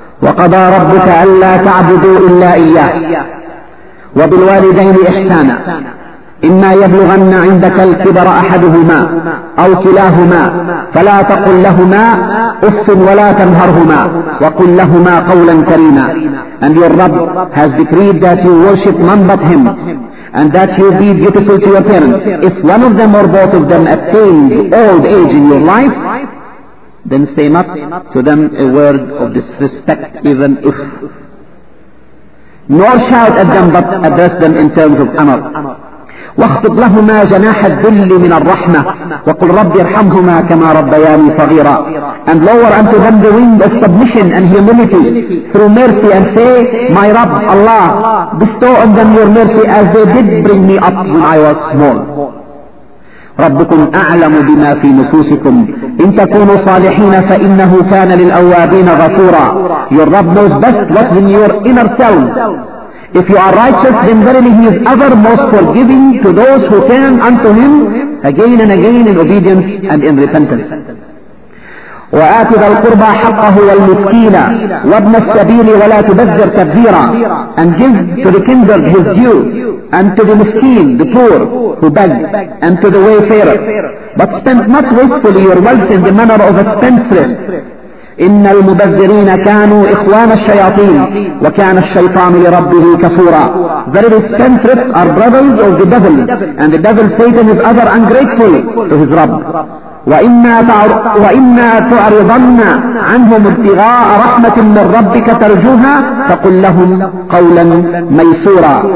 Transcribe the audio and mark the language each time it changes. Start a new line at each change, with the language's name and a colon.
Arabic: وقضى ربك ألا تعبدوا إلا إياه وبالوالدين إحسانا إما يبلغن عندك الكبر أحدهما أو كلاهما فلا تقل لهما أف ولا تنهرهما وقل لهما قولا كريما.
English: And your Rabb has decreed that you worship none but him and that you be dutiful to your parents. If one of them or both of them attained old age in your life, then say not to them a word of disrespect, even if. Nor shout at them, but address them in terms of amr.
Arabic: واخفض لهما جناح الذل من الرحمة وقل رب ارحمهما كما ربياني صغيرا.
English: And lower unto them the wing of submission and humility through mercy and say, my Rabb, Allah, bestow on them your mercy as they did bring me up when I was small.
Arabic: ربكم أعلم بما في نفوسكم إن تكونوا صالحين فإنه كان للأوابين غفورا.
English: Your Rabb knows best what's in your inner self. If you are righteous, then verily he is ever most forgiving to those who turn unto him again and again in obedience and in repentance.
Arabic: وآت ذا القربى حقه والمسكين وابن السبيل ولا تبذر تبذيرا.
English: And give to the kindred his due and to the miskeen, the poor who beg, and to the wayfarer. But spend not wastefully your wealth in the manner of a spendthrift.
Arabic: إن المبذرين كانوا إخوان الشياطين وكان الشيطان لربه كفورا.
English: Verily spendthrifts are brothers of the devil, and the devil Satan is ever ungrateful to his Rabb.
Arabic: وَإِمَّا تُعْرِضَنَّ عَنْهُمْ ابْتِغَاءَ رَحْمَةٍ مِّنْ رَبِّكَ تَرْجُوهَا فَقُلْ لَهُمْ قَوْلًا مَيْسُورًا.